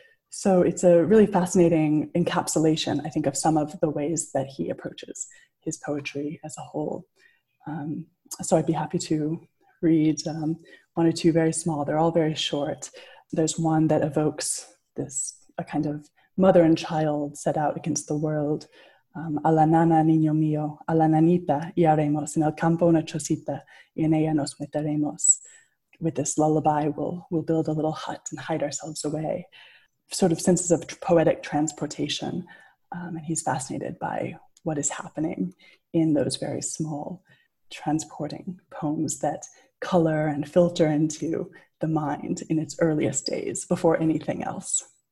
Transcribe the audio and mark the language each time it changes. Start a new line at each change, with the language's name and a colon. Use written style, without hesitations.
English: So it's a really fascinating encapsulation, I think, of some of the ways that he approaches his poetry as a whole. So I'd be happy to read one or two very small. They're all very short. There's one that evokes this a kind of mother and child set out against the world.
Spanish: A la nana, niño mío, a la nanita, y haremos en el campo una chocita, y en ella nos meteremos.
English: With this lullaby, we'll build a little hut and hide ourselves away. Sort of senses of poetic transportation. And he's fascinated by what is happening in those very small transporting poems that color and filter into the mind in its earliest days before anything else.